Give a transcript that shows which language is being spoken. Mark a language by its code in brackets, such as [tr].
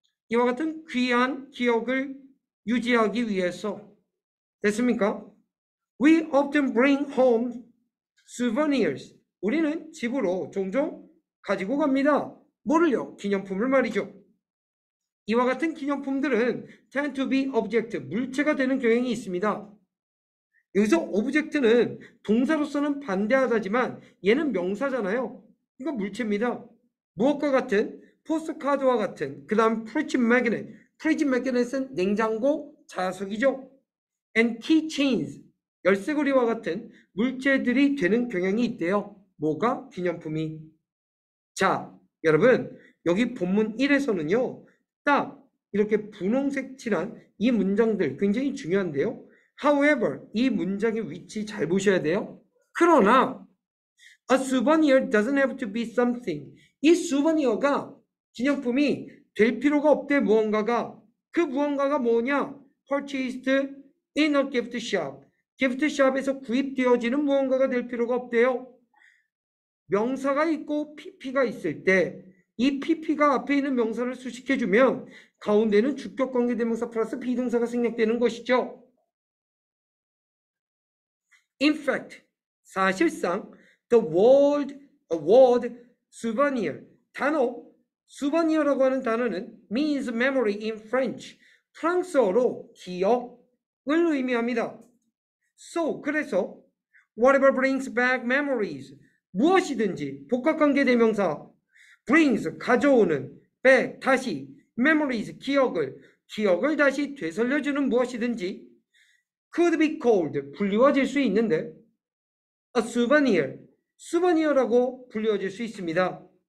[ko] 이와 같은 귀한 기억을 유지하기 위해서 됐습니까? [en] We often bring home souvenirs. [ko] 우리는 집으로 종종 가지고 갑니다. 뭐를요? 기념품을 말이죠. 이와 같은 기념품들은 [en] tend to be object, [ko] 물체가 되는 경향이 있습니다. 여기서 object는 동사로서는 반대하다지만 얘는 명사잖아요. 이건 물체입니다. 무엇과 같은? 포스트카드와 같은. 그 다음 프리즘 매그넷. 프리즘 매그넷은 냉장고 자석이죠. [en] And keychains. [ko] 열쇠고리와 같은 물체들이 되는 경향이 있대요. 뭐가? 기념품이. 자, 여러분, 여기 본문 1에서는요, 딱 이렇게 분홍색 칠한 이 문장들 굉장히 중요한데요. However, 이 문장의 위치 잘 보셔야 돼요. [en] 그러나, a souvenir doesn't have to be something. [ko] 이 souvenir가 기념품이 될 필요가 없대, 무언가가. 그 무언가가 뭐냐? [en] Purchased in a gift shop. [ko] 기프트샵에서 구입되어지는 무언가가 될 필요가 없대요. 명사가 있고 PP가 있을 때, 이 PP가 앞에 있는 명사를 수식해주면, 가운데는 주격 관계대명사 플러스 비동사가 생략되는 것이죠. [en] In fact, [ko] 사실상, [en] the word souvenir, [ko] 단어, souvenir라고 하는 단어는 [en] means memory in French, [ko] 프랑스어로 기억을 의미합니다. So, 그래서, [en] whatever brings back memories, [ko] 무엇이든지, 복합관계대명사, brings, 가져오는, back, 다시, memories, 기억을 다시 되살려주는 무엇이든지, [en] could be called, [ko] 불리워질 수 있는데, a souvenir, souvenir라고 불리워질 수 있습니다.